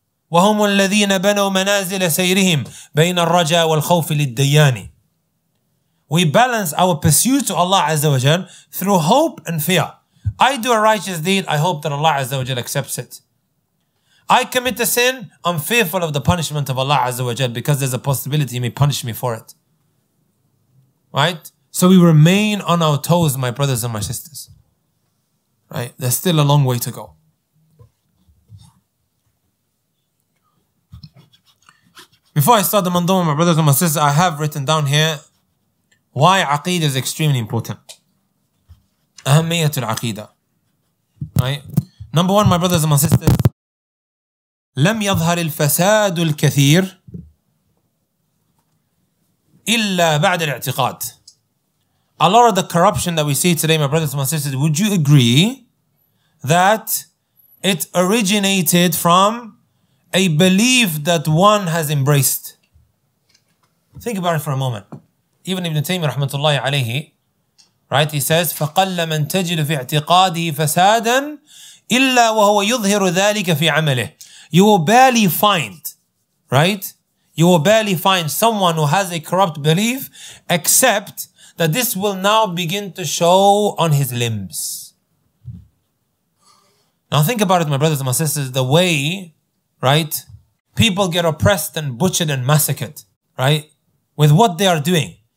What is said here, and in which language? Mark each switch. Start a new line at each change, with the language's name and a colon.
Arabic: وهم الذين بنوا منازل سيرهم بين الرجاء والخوف للديان.
English: We balance our pursuit to Allah Azza wa Jal through hope and fear. I do a righteous deed, I hope that Allah Azza wa Jal accepts it. I commit a sin, I'm fearful of the punishment of Allah Azza wa Jal because there's a possibility He may punish me for it. Right? So we remain on our toes, my brothers and my sisters. Right? There's still a long way to go. Before I start the mandoma, my brothers and my sisters, I have written down here why aqeedah is extremely important.
Arabic: Ahammiyatul aqeedah.
English: Right? Number one, my brothers and my sisters,
Arabic: لم يظهر الفساد الكثير إلا بعد الاعتقاد.
English: A lot of the corruption that we see today, my brothers and my sisters, would you agree that it originated from a belief that one has embraced? Think about it for a moment. Even Ibn Taymiyyah rahmatullahi alayhi, right, he says,
Arabic: فَقَلَّ مَنْ تَجِدُ فِي اعْتِقَادِهِ فَسَادًا إِلَّا وَهُوَ يُظْهِرُ ذَلِكَ فِي عَمَلِهِ.
English: You will barely find, right? You will barely find someone who has a corrupt belief, except that this will now begin to show on his limbs. Now think about it, my brothers and my sisters, the way, right, people get oppressed and butchered and massacred, right, with what they are doing.